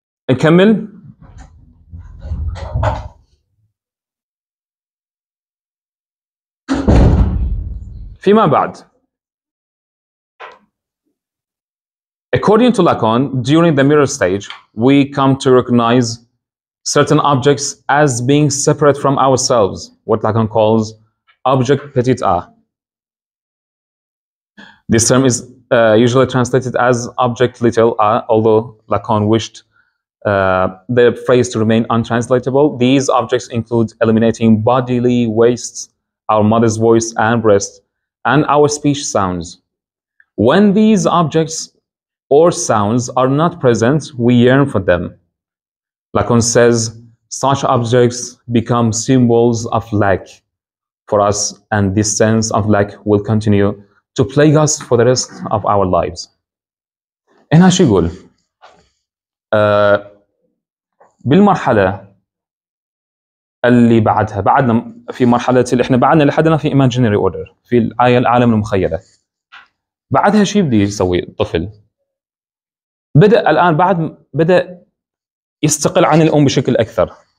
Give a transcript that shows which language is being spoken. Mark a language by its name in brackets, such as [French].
[Arabic] نكمل فيما بعد [English] According to Lacan, during the mirror stage, we come to recognize certain objects as being separate from ourselves, what Lacan calls object petit a. This term is usually translated as object little a, although Lacan wished the phrase to remain untranslatable. These objects include eliminating bodily wastes, our mother's voice and breast, and our speech sounds. When these objects or sounds are not present, we yearn for them. Lacan says, such objects become symbols of lack for us, and this sense of lack will continue to plague us for the rest of our lives. [Arabic] هنا شو يقول؟ بالمرحلة اللي بعدها، بعدنا في مرحلة اللي احنا بعدنا لحدنا في imaginary order، في الآية العالم المخيلة. بعدها شو يبدي يسوي الطفل؟ بدأ الآن بعد بدأ يستقل عن الأم بشكل أكثر.